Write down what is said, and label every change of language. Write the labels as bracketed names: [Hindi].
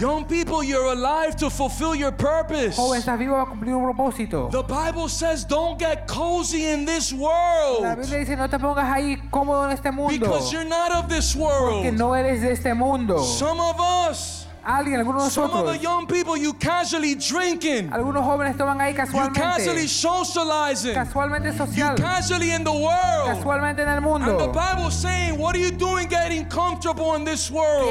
[English] Young people, you're alive to fulfill your purpose. [Spanish] Joven, estás vivo para cumplir un propósito. [English] The Bible says don't get cozy in this world. [Spanish] La Biblia dice, no te pongas ahí cómodo en este mundo. [English] Because you're not of this world. [Spanish] Porque no eres de este mundo. [English] Some of us. Some of the young people, you casually drinking. [Spanish] Algunos jóvenes toman ahí casualmente. [English] You casually socializing. [Spanish] Casualmente social. [English] You casually in the world. [Spanish] Casualmente en el mundo. [English] And the Bible saying, what are you doing getting comfortable in this world?